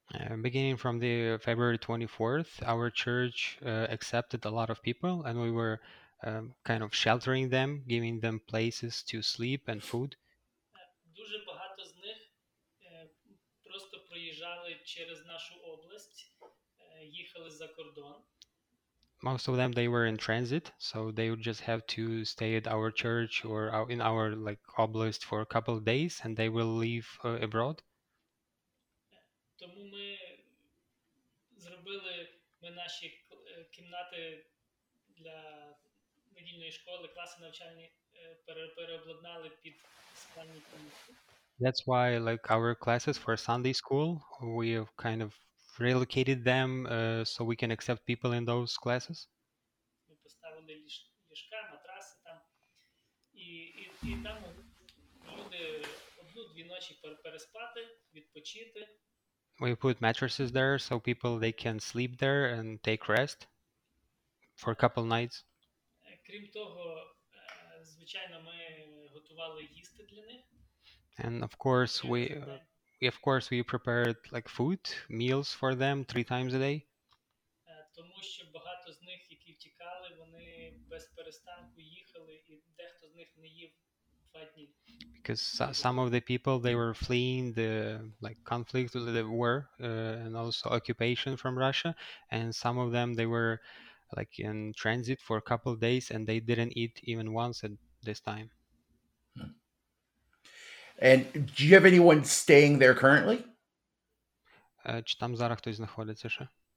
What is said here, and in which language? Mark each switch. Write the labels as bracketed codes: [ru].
[en] Beginning from the February 24th, our church accepted a lot of people, and we were kind of sheltering them, giving them places to sleep and food. [uk] Дуже багато з них просто приїжджали через нашу область, їхали за кордон. [en] Most of them, they were in transit, so they would just have to stay at our church or in our like oblast for a couple of days, and they will leave abroad. [uk] Тому ми зробили наші кімнати для недільної школи, класи навчальні переобладнали під спальні кімнати. [en] That's why, like our classes for Sunday school, we have kind of relocated them so we can accept people in those classes. [uk] Ми поставили ліжка, матраси там, і там люди одну-дві ночі переспати, відпочити. [en] We put mattresses there so people they can sleep there and take rest for a couple nights. [uk] Крім того, звичайно, ми готували їсти для них. [en] And of course we prepared like food meals for them three times a day. [uk] Тому що багато з них, які втікали, вони без перестанку їхали, і дехто з них не їв 2 дні. [en] Because some of the people, they were fleeing the like conflict, the war and also occupation from Russia, and some of them, they were like in transit for a couple of days and they didn't eat even once at this time. And do you have anyone staying there currently? [uk] Чи там зараз хтось знаходиться ще?